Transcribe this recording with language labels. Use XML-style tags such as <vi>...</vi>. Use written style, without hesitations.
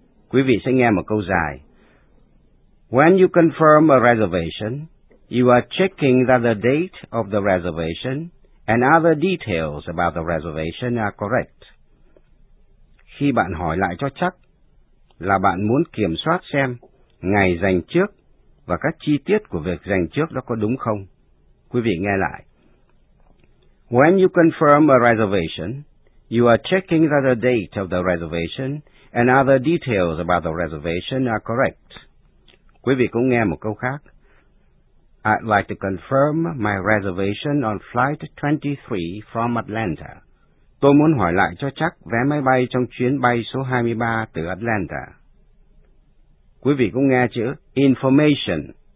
<vi>Quý vị sẽ nghe một câu dài.</vi> <en>When you confirm a reservation, You are checking that the date of the reservation and other details about the reservation are correct.</en> <vi>Khi bạn hỏi lại cho chắc là bạn muốn kiểm soát xem ngày dành trước và các chi tiết của việc dành trước đó có đúng không. Quý vị nghe lại.</vi> <en>When you confirm a reservation, you are checking that the date of the reservation and other details about the reservation are correct.</en> <vi>Quý vị cũng nghe một câu khác.</vi> <en>I'd like to confirm my reservation on flight 23 from Atlanta.</en> <vi>Tôi muốn hỏi lại cho chắc vé máy bay trong chuyến bay số 23 từ Atlanta. Quý vị cũng nghe chữ information.</vi>